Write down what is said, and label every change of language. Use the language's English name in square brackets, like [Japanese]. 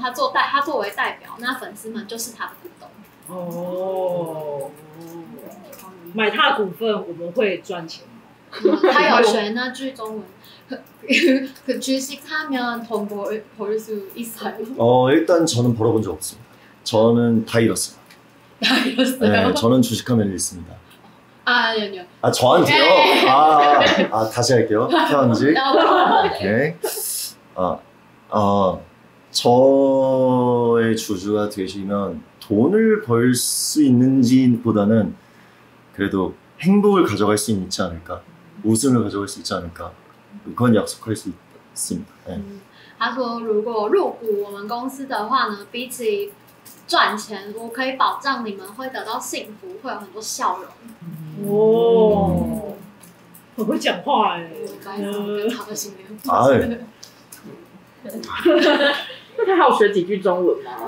[Chinese] 他作为代表，那粉丝们就是他的股东。哦，买他股份，我们会赚钱、他有学那句中文， [Korean] 그주식사면돈벌수있어요 일단저는벌어본적없습니다저는다잃었어요 다잃었어요 네저는주식하면잃습니다 아니요아니요 아저한테요 아다시할게요태환지 오케이저의주주가되시면돈을벌수있는지보다는그래도행복을가져갈수있지않을까웃음을가져갈수있지않을까그건약속할수있습니다 [Chinese] 他说如果入股我们公司的话呢比起赚钱我可以保障你们会得到幸福会有很多笑容哦很会讲话耶我该怎么跟他的心灵那他还有学几句中文吗？